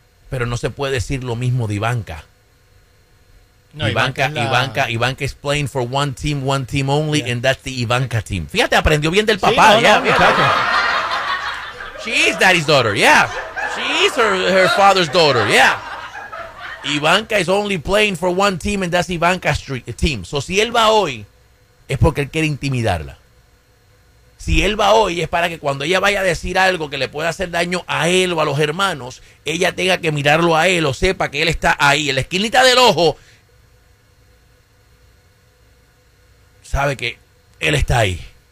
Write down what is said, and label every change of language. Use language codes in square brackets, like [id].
[es] Pero no se puede decir lo mismo de Ivanka. [en] Ivanka is playing for one team only, yeah. And that's the Ivanka team. [es] Fíjate, aprendió bien del papá. [en] She is daddy's daughter, yeah. She is her father's daughter, yeah. Ivanka is only playing for one team, and that's Ivanka's team. [es] So si él va hoy, es porque él quiere intimidarla. Si él va hoy, es para que cuando ella vaya a decir algo que le pueda hacer daño a él o a los hermanos, ella tenga que mirarlo a él o sepa que él está ahí. En la esquinita del ojo, sabe que él está ahí.